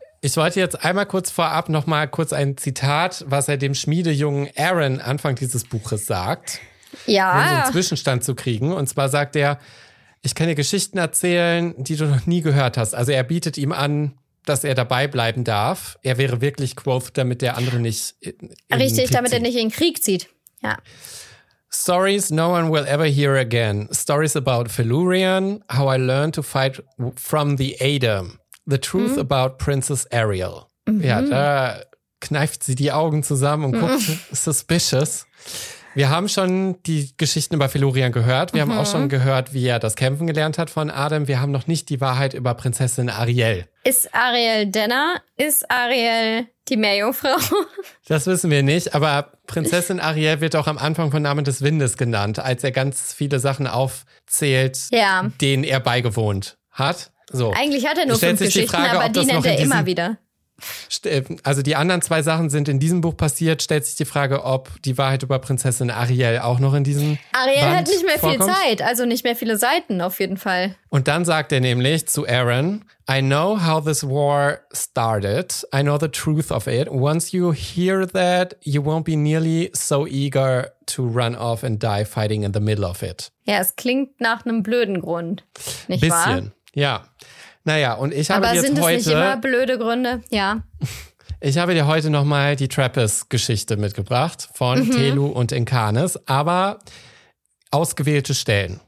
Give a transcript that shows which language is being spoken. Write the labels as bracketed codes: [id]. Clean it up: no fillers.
[de] Ich wollte jetzt einmal kurz vorab nochmal kurz ein Zitat, was er dem Schmiedejungen Aaron Anfang dieses Buches sagt. Ja. Um so einen Zwischenstand zu kriegen. Und zwar sagt er: Ich kann dir Geschichten erzählen, die du noch nie gehört hast. Also er bietet ihm an, dass er dabei bleiben darf. Er wäre wirklich Quoth, damit der andere nicht in den Krieg zieht. Ja. [en] Stories no one will ever hear again. Stories about Felurian, how I learned to fight from the Aedir. The truth about Princess Ariel. [de] Mhm. Ja, da kneift sie die Augen zusammen und guckt suspicious. Wir haben schon die Geschichten über Felurian gehört. Wir haben auch schon gehört, wie er das Kämpfen gelernt hat von Adam. Wir haben noch nicht die Wahrheit über Prinzessin Ariel. Ist Ariel Denner? Ist Ariel die Meerjungfrau? Das wissen wir nicht, aber Prinzessin Ariel wird auch am Anfang von Namen des Windes genannt, als er ganz viele Sachen aufzählt, denen er beigewohnt hat. So. Eigentlich hat er nur 5 Geschichten, aber die nennt er immer wieder. Also die anderen zwei Sachen sind in diesem Buch passiert. Stellt sich die Frage, ob die Wahrheit über Prinzessin Ariel auch noch in diesem Ariel Band hat nicht mehr vorkommt. Viel Zeit, also nicht mehr viele Seiten auf jeden Fall. Und dann sagt er nämlich zu Aaron: [en] I know how this war started. I know the truth of it. Once you hear that, you won't be nearly so eager to run off and die fighting in the middle of it. [de] Ja, es klingt nach einem blöden Grund, nicht Bisschen. Wahr? Bisschen, ja. Naja, und ich habe aber jetzt heute... Aber sind es nicht immer blöde Gründe? Ja. Ich habe dir heute nochmal die Trappist-Geschichte mitgebracht von Telu und Inkanes, aber ausgewählte Stellen.